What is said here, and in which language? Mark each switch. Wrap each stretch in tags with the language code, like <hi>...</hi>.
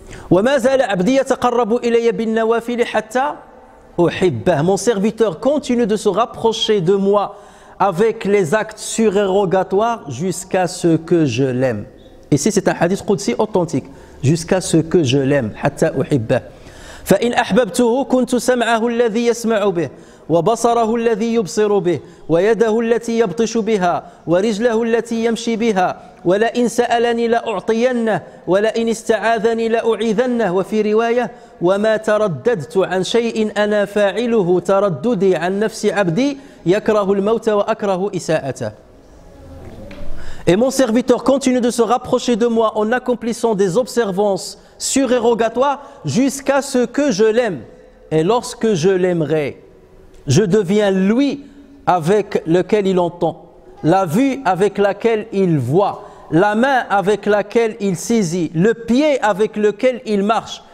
<ar>وما زال عبدي يتقرب إلي بالنوافل حتى أحبه.</ar> <fr>Mon serviteur continue de se rapprocher de moi avec les actes surérogatoires jusqu'à ce que je l'aime. Ici, c'est un hadith qudsi authentique. Jusqu'à ce que je l'aime.</fr> <ar>حتى أحبه. فإن أحببته كنت سمعه الذي يسمع به وبصره الذي يبصر به ويده التي يبطش بها ورجله التي يمشي بها ولئن سألني لأعطينه ولئن استعاذني لأعيذنه وفي رواية وما ترددت عن شيء أنا فاعله ترددي عن نفس عبدي يكره الموت وأكره إساءته.</ar> <fr>Et mon serviteur continue de se rapprocher de moi en accomplissant des observances surérogatoires jusqu'à ce que je l'aime. Et lorsque je l'aimerai, je deviens lui avec lequel il entend, la vue avec laquelle il voit, la main avec laquelle il saisit, le pied avec lequel il marche.</fr>